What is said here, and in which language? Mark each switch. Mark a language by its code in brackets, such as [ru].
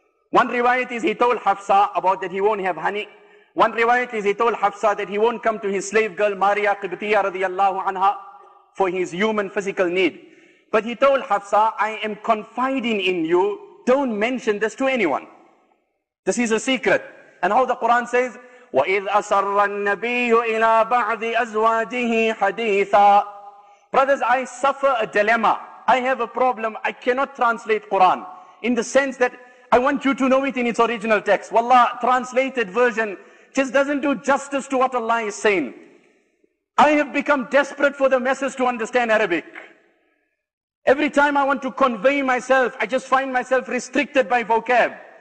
[en] One riwayat is he told Hafsa about that he won't have honey. One riwayat is he told Hafsa that he won't come to his slave girl Maria Qibtiya radiallahu anha for his human physical need. But he told Hafsa, I am confiding in you. Don't mention this to anyone. This is a secret. And how the Quran says, [ar] وَإِذْ أَسَرَّ النَّبِيُّ إِلَىٰ بَعْضِ أَزْوَاجِهِ حَدِيثًا. [en] Brothers, I suffer a dilemma. I have a problem. I cannot translate Quran in the sense that I want you to know it in its original text. Wallah, translated version just doesn't do justice to what Allah is saying. I have become desperate for the message to understand Arabic. Every time I want to convey myself, I just find myself restricted by vocab.